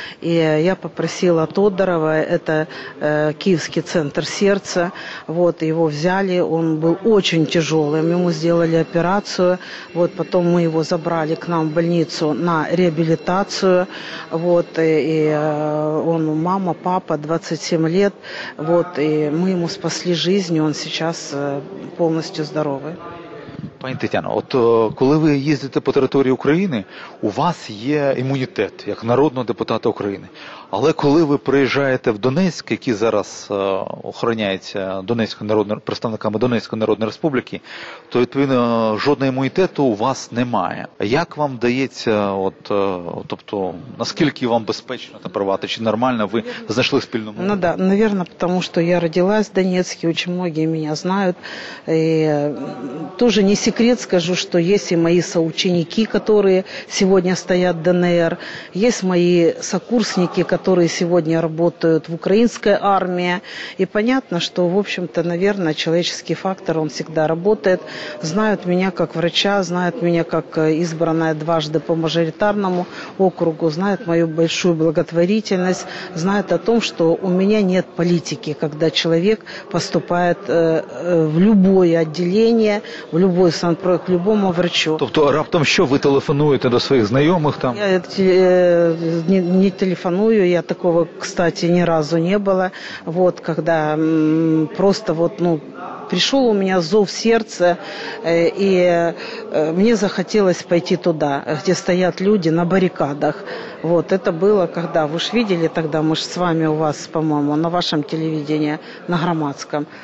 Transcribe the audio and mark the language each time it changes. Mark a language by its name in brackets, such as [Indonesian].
[Russian] И я попросила Тодорова, это Киевский центр сердца, вот, его взяли, он был очень тяжелым, ему сделали операцию, вот, потом мы его забрали к нам в больницу на реабилитацию, вот, и он, мама, папа, 27 лет, вот, и мы ему спасли жизнь, он сейчас полностью здоровый. [Ukrainian] Пані Тетяно, от коли ви їздите по території України, у вас є імунітет як народного депутата України. Але коли ви приїжджаєте в Донецьк, який зараз охороняється Донецькою народною, представниками Донецької Народної Республіки, то відповідно жодного імунітету у вас немає. Як вам дається, от, тобто, наскільки вам безпечно та приватно, чи нормально ви знайшли спільну мову? [Russian] Ну, да, наверно, тому що я родилась в Донецьку, дуже багато мене знають, і теж не секрет скажу, что есть и мои соученики, которые сегодня стоят в ДНР, есть мои сокурсники, которые сегодня работают в украинской армии. И понятно, что, в общем-то, наверное, человеческий фактор, он всегда работает. Знают меня как врача, знают меня как избранная дважды по мажоритарному округу, знают мою большую благотворительность, знают о том, что у меня нет политики, когда человек поступает в любое отделение, в любой к любому врачу. [Ukrainian] Тобто раптом що, ви телефонуєте до своїх знайомих там? Я не телефоную, я такого, кстати, ні разу не було. [Russian] Вот, когда просто вот, ну, пришел у меня зов сердца, и мне захотелось пойти туда, где стоят люди на баррикадах. Вот, это было, когда, вы же видели тогда, мы же с вами у вас, по-моему, на вашем телевидении, на Громадском.